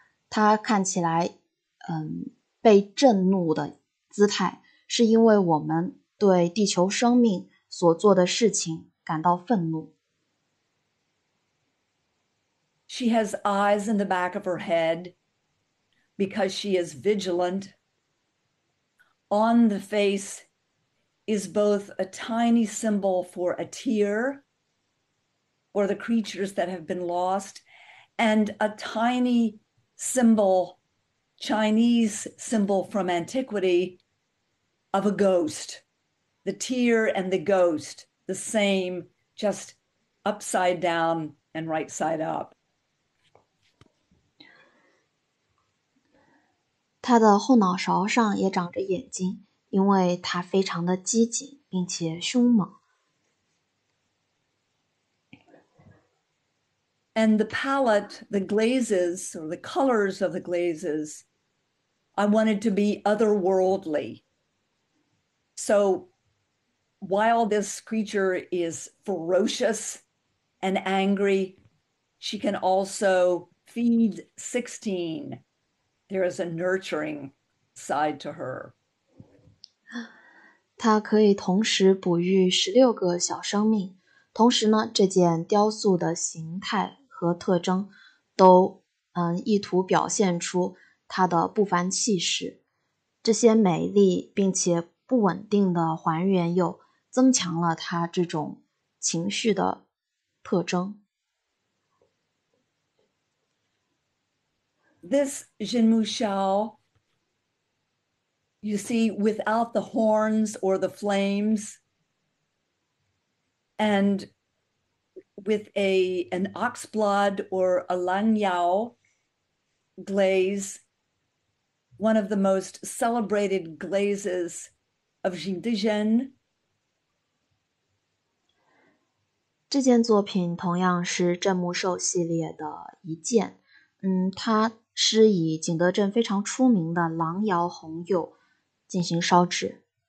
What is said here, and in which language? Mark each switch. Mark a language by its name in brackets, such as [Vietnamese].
[Chinese] 它看起来被震怒的姿态，是因为我们对地球生命所做的事情感到愤怒。 [English] She has eyes in the back of her head because she is vigilant. On the face is both a tiny symbol for a tear for the creatures that have been lost and a tiny symbol, Chinese symbol from antiquity, of a ghost. The tear and the ghost, the same, just upside down and right side up. [Chinese] 它的后脑勺上也长着眼睛，因为它非常的机警，并且凶猛。 [English] And the palette, the glazes, or the colors of the glazes, I wanted to be otherworldly. So while this creature is ferocious and angry, she can also feed 16. There is a nurturing side to her. [Chinese] 它可以同时哺育16个小生命，同时呢，这件雕塑的形态和特征都，意图表现出它的不凡气势。这些美丽并且不稳定的还原，又增强了它这种情绪的特征。 [English] This Zhenmushao, you see, without the horns or the flames, and with an ox blood or a langyao glaze, one of the most celebrated glazes of Jingdezhen. [Chinese] 这件作品同样是镇木寿系列的一件，它是以景德镇非常出名的狼窑红釉进行烧制。